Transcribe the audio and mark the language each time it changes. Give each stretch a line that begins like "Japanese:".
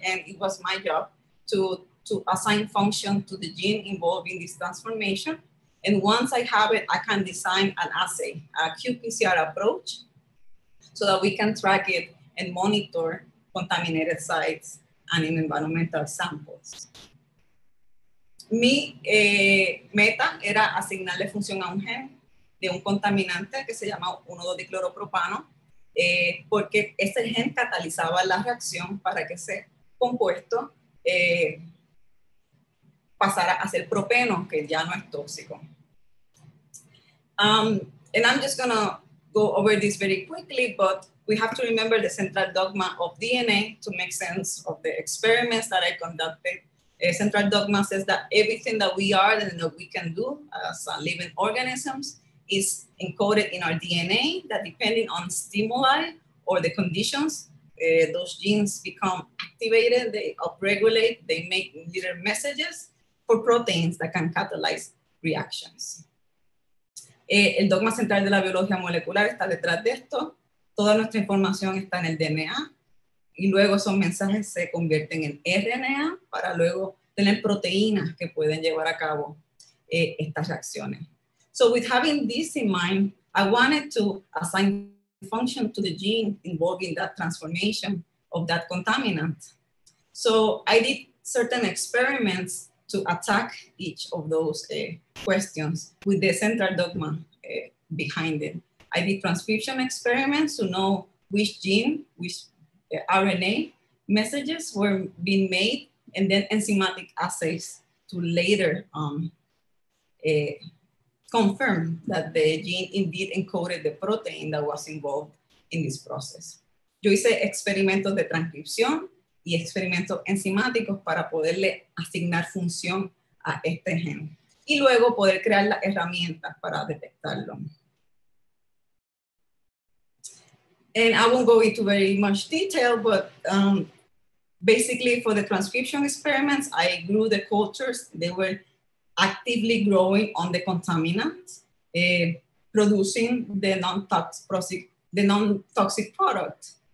English: And it was my job to assign function to the gene involved in this transformation. And once I have it, I can design an assay, a qPCR approach, so that we can track it and monitor contaminated sites and in environmental samples.
Spanish: Mi meta era asignarle función a un gen de un contaminante que se llama 1,2-dicloropropano, porque ese gen catalizaba la reacción para que ese compuesto pasara a ser propeno, que ya no es tóxico.
English: And I'm just going to go over this very quickly, but we have to remember the central dogma of DNA to make sense of the experiments that I conducted. A central dogma says that everything that we are and that we can do as living organisms is encoded in our DNA, that depending on stimuli or the conditions, those genes become activated, they upregulate, they make little messages for proteins that can catalyze reactions.
Spanish: El dogma central de la biología molecular está detrás de esto. Toda nuestra información está en el DNA. Y luego esos mensajes se convierten en RNA para luego tener proteínas que pueden llevar a cabo estas reacciones.
English: So with having this in mind, I wanted to assign function to the gene involved in that transformation of that contaminant. So I did certain experiments to attack each of those questions with the central dogma behind it. I did transcription experiments to know which gene, which RNA messages were being made, and then enzymatic assays to later confirm that the gene indeed encoded the protein that was involved in this process.
Spanish: Yo hice experimentos de transcripción y experimentos enzimáticos para poderle asignar función a este gen y luego poder crear las herramientas para detectarlo.
English: And I won't go into very much detail, but basically for the transcription experiments, I grew the cultures. They were actively growing on the contaminant, producing the non-toxic product.